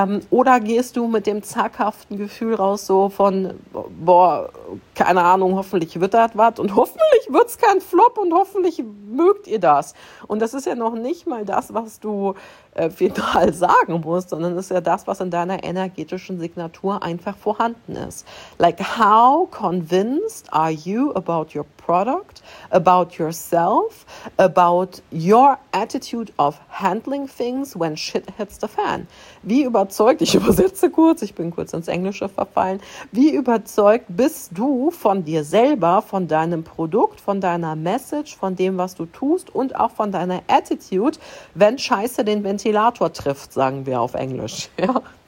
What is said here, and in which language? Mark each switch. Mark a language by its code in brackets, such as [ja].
[de] Oder gehst du mit dem zackhaften Gefühl raus so von boah, keine Ahnung, hoffentlich wird das was und hoffentlich wird es kein Flop und hoffentlich mögt ihr das. Und das ist ja noch nicht mal das, was du final sagen musst, sondern ist ja das, was in deiner energetischen Signatur einfach vorhanden ist. [en] Like, how convinced are you about your product, about yourself, about your attitude of handling things when shit hits the fan? [de] Wie überzeugt, ich übersetze kurz, ich bin kurz ins Englische verfallen, wie überzeugt bist du von dir selber, von deinem Produkt, von deiner Message, von dem, was du tust und auch von deiner Attitude, wenn Scheiße den Ventilator trifft, sagen wir auf Englisch, ja?